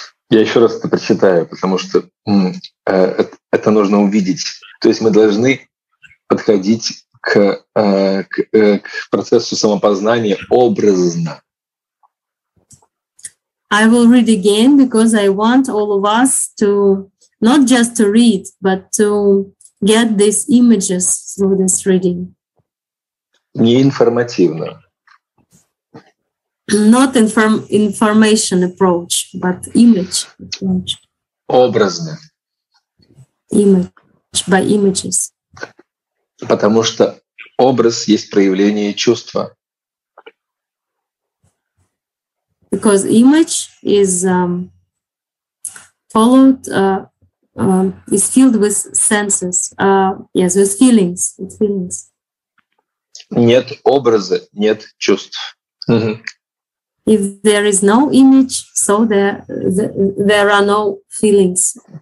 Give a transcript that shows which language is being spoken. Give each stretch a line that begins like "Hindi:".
Russian: Я еще раз это прочитаю, потому что это нужно увидеть. То есть мы должны подходить к процессу самопознания образно.
English: I will read again because I want all of us to not just to read, but to get these images through this reading.
Russian: Не информативно.
English: Not information approach, but image approach.
Russian: Образно.
English: Image by images.
Russian: Потому что образ есть проявление чувства.
English: Because image is followed is filled with senses. Yes, with feelings. With feelings.
Russian: Нет образа, нет чувств.
English: If there is no image, so there are no feelings.